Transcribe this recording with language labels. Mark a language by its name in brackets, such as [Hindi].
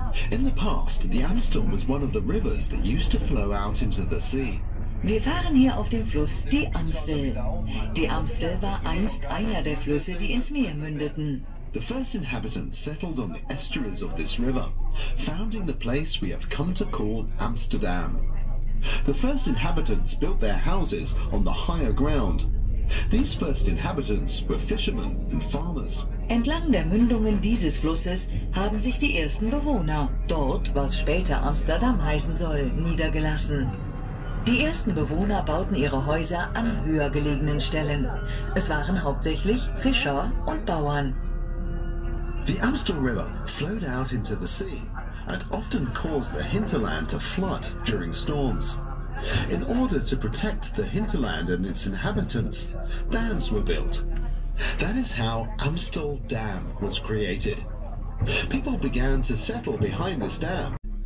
[English] In the past, the Amstel was one of the rivers that used to flow out into the sea. [German] Wir fahren hier auf dem Fluss die Amstel. Die Amstel war einst einer der Flüsse, die ins Meer mündeten. [English] The first inhabitants settled on the estuaries of this river, founding the place we have come to call Amsterdam. The first inhabitants built their houses on the higher ground. These first inhabitants were fishermen and farmers. [German] Entlang der Mündungen dieses Flusses haben sich die ersten Bewohner, dort, was später Amsterdam heißen soll, niedergelassen. Die ersten Bewohner bauten ihre Häuser an höher gelegenen Stellen. Es waren hauptsächlich Fischer und Bauern. [English] The Amstel River flowed out into the sea and often caused the hinterland to flood during storms. In order to protect the hinterland and its inhabitants, dams were built. That is how Amstel Dam was created. People began to settle behind this dam.